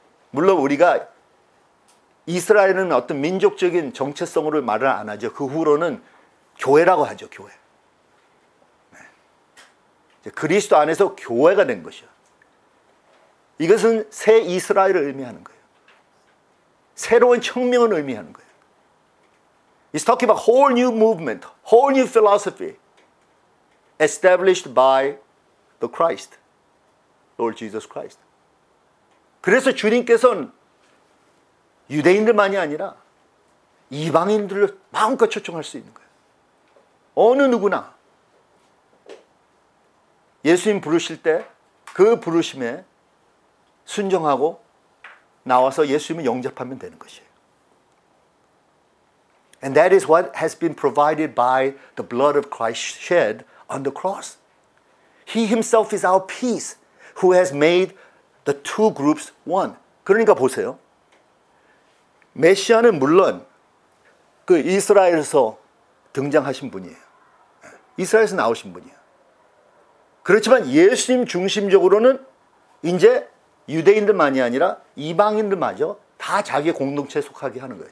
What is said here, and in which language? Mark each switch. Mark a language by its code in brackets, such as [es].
[ko] 물론 우리가 이스라엘은 어떤 민족적인 정체성으로 말을 안 하죠. 그 후로는 교회라고 하죠. 교회. 그리스도 안에서 교회가 된 것이야. 이것은 새 이스라엘을 의미하는 거예요. 새로운 혁명을 의미하는 거예요. [en] It's talking about whole new movement, whole new philosophy established by the Christ, Lord Jesus Christ. [ko] 그래서 주님께서는 유대인들만이 아니라 이방인들을 마음껏 초청할 수 있는 거예요. 어느 누구나 예수님 부르실 때 그 부르심에 순종하고 나와서 예수님을 영접하면 되는 것이에요. [en] And that is what has been provided by the blood of Christ shed on the cross. He himself is our peace who has made the two groups one. [ko] 그러니까 보세요. 메시아는 물론 그 이스라엘에서 등장하신 분이에요. 이스라엘에서 나오신 분이에요. 그렇지만 예수님 중심적으로는 이제 유대인들만이 아니라 이방인들마저 다 자기의 공동체에 속하게 하는 거예요.